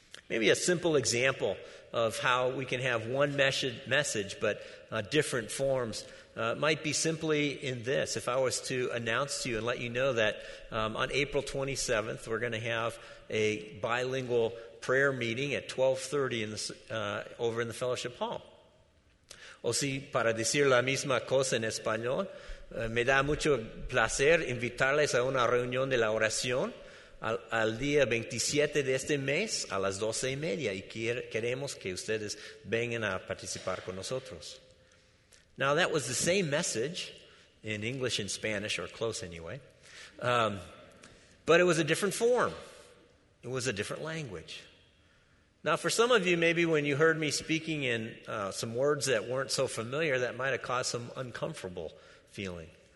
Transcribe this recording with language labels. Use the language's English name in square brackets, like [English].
[English] Maybe a simple example of how we can have one message but different forms might be simply in this. If I was to announce to you and let you know that on April 27th, we're going to have a bilingual prayer meeting at 12:30 over in the Fellowship Hall. [Spanish] O si para decir la misma cosa en español, me da mucho placer invitarles a una reunión de la oración al día 27 de este mes a las 12:30 y queremos que ustedes vengan a participar con nosotros. [English] Now that was the same message in English and Spanish, or close anyway, but it was a different form. It was a different language. Now, for some of you, maybe when you heard me speaking in some words that weren't so familiar, that might have caused some uncomfortable feeling.